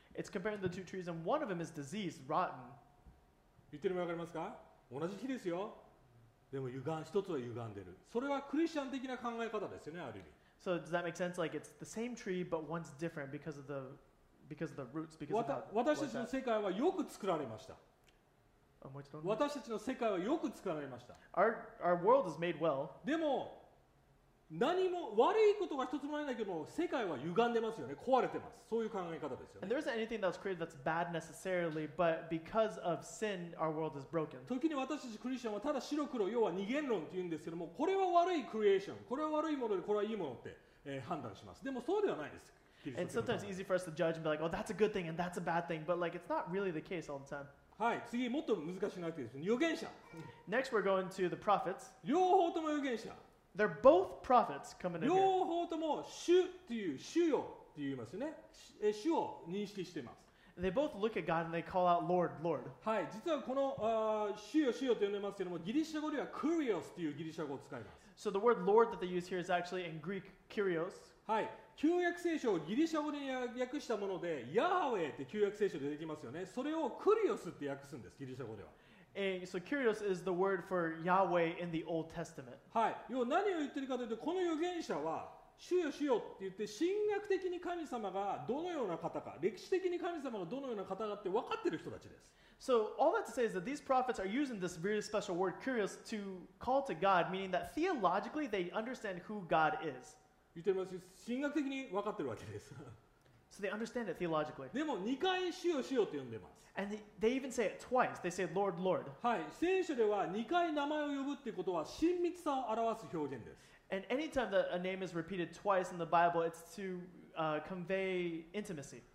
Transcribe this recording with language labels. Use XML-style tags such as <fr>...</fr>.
<en>It's comparing the two trees, and one of them is diseased, rotten.</en> <ja>言ってるのわかりますか？同じ木ですよ。でも一つは歪んでる。それはクリスチャン的な考え方ですよね、ある意味。</ja> <en>So does that make sense? Like it's the same tree, but one's different because of the roots, because of how it's like that.</en> <ja>私たちの世界はよく作られました。私たちの世界はよく作られました。</ja> <en>Our world is made well.</en> <ja>でも何も悪いことが一つもないんだけども、世界は歪んでますよね。壊れてます。そういう考え方ですよね。</ja> <en>And there isn't anything that's created that's bad necessarily, but because of sin, our world is broken.</en> <ja>時に私たちクリスチャンはただ白黒、要は二元論って言うんですけども、これは悪いクリエーション、これは悪いもので、これはいいものって、判断します。でもそうではないです。</ja> <en>And sometimes it's easy for us to judge and be like, oh, that's a good thing and that's a bad thing, but like it's not really the case all the time.</en> <ja>はい、次もっと難しいなってですね。預言者。</ja> <en>Next we're going to the prophets.</en> <ja>両方とも預言者。</ja> <en>They're both prophets coming in.</en> <ja>両方とも主という主よって言いますよね。主を認識しています。</ja> <en>They both look at God and they call out, Lord, Lord.</en> <ja>はい、実はこの主よ主よと呼んでますけども、ギリシャ語ではクリオスというギリシャ語を使います。</ja> <en>So the word Lord that they use here is actually in Greek, Kyrios.</en> <ja>はい、旧約聖書をギリシャ語で訳したもので、ヤハウェって旧約聖書で出てきますよね。それをクリオスって訳すんです、ギリシャ語では。</ja> <en>And so Kyrios is the word for Yahweh in the Old Testament.</en> <ja>はい、要は何を言ってるかというと、この預言者は、主よ主よって言って神学的に神様がどのような方か、歴史的に神様がどのような方かって分かってる人たちです。</ja> <en>So all that to say is that these prophets are using this very special word, Kyrios, to call to God, meaning that theologically they understand who God is.</en> <ja>言ってます。神学的に分かってるわけです。</ja> <en>So they understand it theologically.</en> <ja>でも2回主よ主よって呼んでます。</ja> <en>And they even say it twice. They say, Lord, Lord.</en> <ja>はい。聖書では2回名前を呼ぶってことは親密さを表す表現です。</ja> <en>And anytime that a name is repeated twice in the Bible, it's to convey intimacy.</en>